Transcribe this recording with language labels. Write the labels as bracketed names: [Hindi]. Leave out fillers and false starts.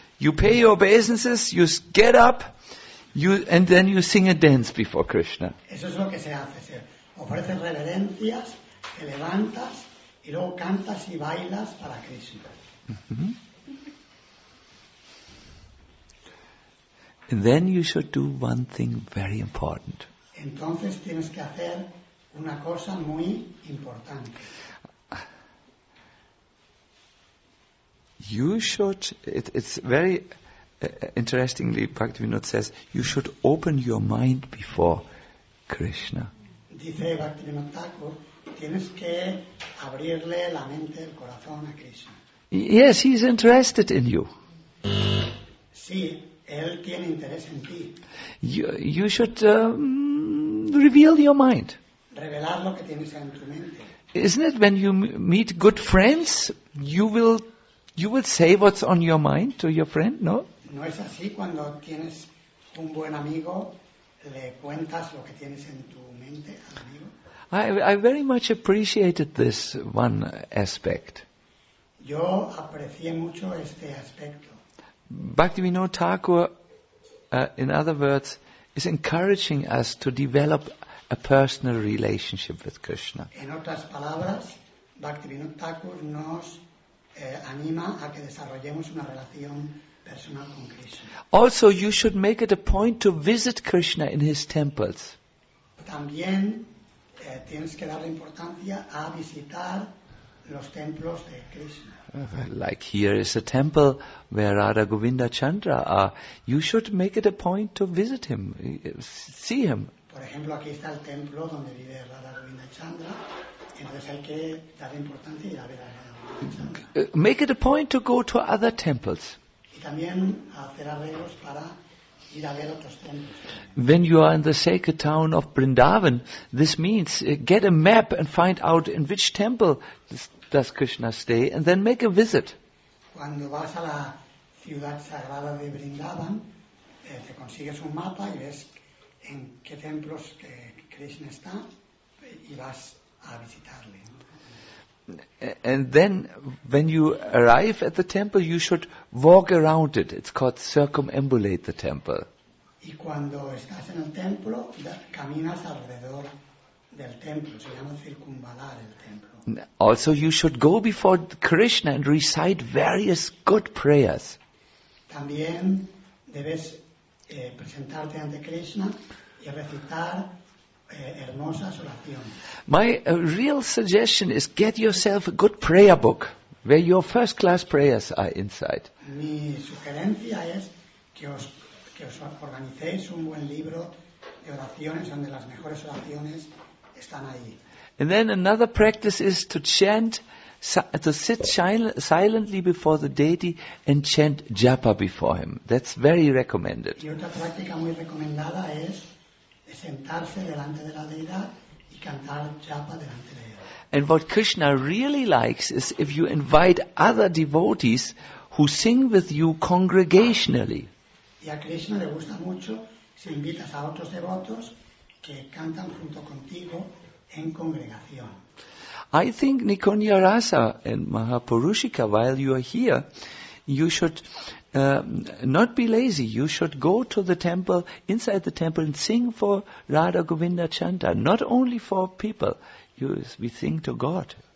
[English] You pay your obeisances, you get up, and then you sing a dance before Krishna. [Spanish] Eso es lo que se hace. Se ofrece reverencias, te levantas, y luego cantas y bailas para Krishna. [English] And then you should do one thing very important. [Spanish] Entonces tienes que hacer una cosa muy importante. [English] You should, it's very Interestingly, Bhaktivinoda says, you should open your mind before Krishna. [Spanish] Dice Bhaktivinoda Thakur, tienes que abrirle la mente, el corazón a Krishna. [English] Yes, he is interested in you. [Spanish] Sí, él tiene interés en ti. [English] You should reveal your mind. [Spanish] Revelar lo que tienes en tu mente. [English] Isn't it when you meet good friends, you will say what's on your mind to your friend, no? [Spanish] No es así cuando tienes un buen amigo, le cuentas lo que tienes en tu mente al amigo. [English] I very much appreciated this one aspect. [Spanish] Yo aprecié mucho este aspecto. [English] Bhaktivinoda Thakur, in other words, is encouraging us to develop a personal relationship with Krishna. [Spanish] En otras palabras, Bhaktivinoda Thakur nos anima a que desarrollemos una relación personal con Krishna. [English] Also, you should make it a point to visit Krishna in his temples. [Spanish] También tienes que darle importancia a visitar los templos de Krishna. [English] Like here is a temple where Radha Govinda Chandra are. You should make it a point to visit him, see him. [Spanish] Por ejemplo, aquí está el templo donde vive Radha Govinda Chandra. Entonces hay que darle importancia y ir a ver a Radha Govinda Chandra. [English] Make it a point to go to other temples. [Spanish] Y también hacer arreglos para ir a ver otros templos. [English] When you are in the sacred town of Vrindavan, this means get a map and find out in which temple does Krishna stay, and then make a visit. [Spanish] Cuando vas a la ciudad sagrada de Vrindavan, te consigues un mapa y ves en qué templos que Krishna está y vas a visitarle. [English] And then when you arrive at the temple, you should walk around it. It's called circumambulate the temple. [Spanish] Y cuando estás en el templo, caminas alrededor del templo. Se llama circunvalar el templo. [English] Also, you should go before Krishna and recite various good prayers. [Spanish] También debes presentarte ante Krishna y recitar hermosas oraciones. [English] My real suggestion is get yourself a good prayer book where your first class prayers are inside. [Spanish] Mi sugerencia es que os organicéis un buen libro de oraciones donde las mejores oraciones están ahí. [English] And then another practice is to chant, to sit silently before the deity and chant japa before him. That's very recommended. [Spanish] Y otra práctica muy recomendada es sentarse delante de la deidad y cantar japa delante de él. [English] And what Krishna really likes is if you invite other devotees who sing with you congregationally. [Spanish] Y a Krishna le gusta mucho si invitas a otros devotos que cantan junto contigo en congregación. [English] I think Nikonya Rasa and Mahapurushika, while you are here, you should not be lazy. You should go to the temple, inside the temple, and sing for Radha Govinda Chanda. Not only for people, we sing to God.